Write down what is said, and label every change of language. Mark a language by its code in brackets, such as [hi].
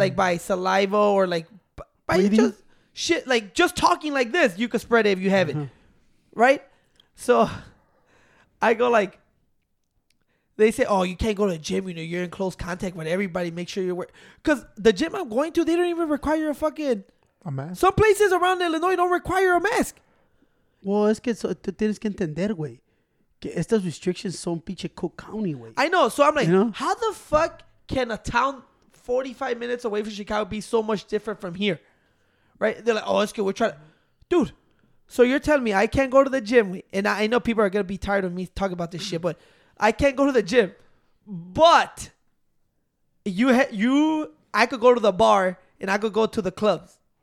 [en] Like by saliva or like, by breathing? Just shit, like just talking like this, you could spread it if you have it, right? So I go like, they say, oh, you can't go to the gym, you know, you're in close contact with everybody. Make sure you're because the gym I'm going to, they don't even require a fucking... A mask? Some places around Illinois don't require a mask. [es] Well, es que tú tienes que entender, güey. Que estas restrictions son pinche Cook County, güey. [en] I know. So I'm like, you know? How the fuck can a town 45 minutes away from Chicago be so much different from here? Right? They're like, oh, it's good. We're trying to... Dude, so you're telling me I can't go to the gym. And I know people are going to be tired of me talking about this shit, but... I can't go to the gym, but I could go to the bar and I could go to the clubs.